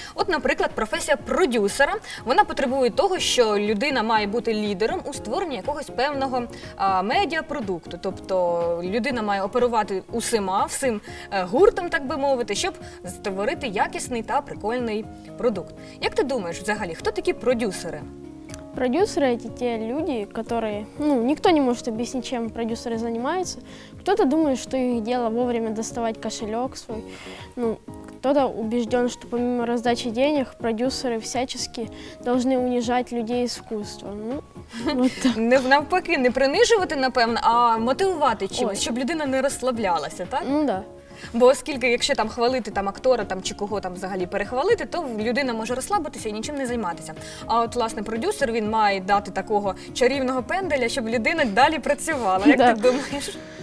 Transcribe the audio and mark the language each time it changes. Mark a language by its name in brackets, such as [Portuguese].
[Ukrainian] От, наприклад, професія продюсера, вона потребує того, що людина має бути лідером у створенні якогось певного медіапродукту. Тобто людина має оперувати усіма, всім гуртом, так би мовити, щоб створити якісний та прикольний продукт. Як ти думаєш, взагалі, хто такі продюсери? [Russian] Продюсеры – это те люди, которые… Ну, никто не может объяснить, чем продюсеры занимаются. Кто-то думает, что их дело вовремя доставать кошелек свой. Ну, кто-то убежден, что помимо раздачи денег, продюсеры всячески должны унижать людей искусства. Ну, вот так. [Ukrainian] Навпаки, не принижувати, напевно, а мотивувати чимось, щоб людина не розслаблялася, так? Ну, да. Бо оскільки, якщо там хвалити там актора там, чи кого там взагалі перехвалити, то людина може розслабитися і нічим не займатися. А от, власне, продюсер, він має дати такого чарівного пенделя, щоб людина далі працювала, як ти думаєш?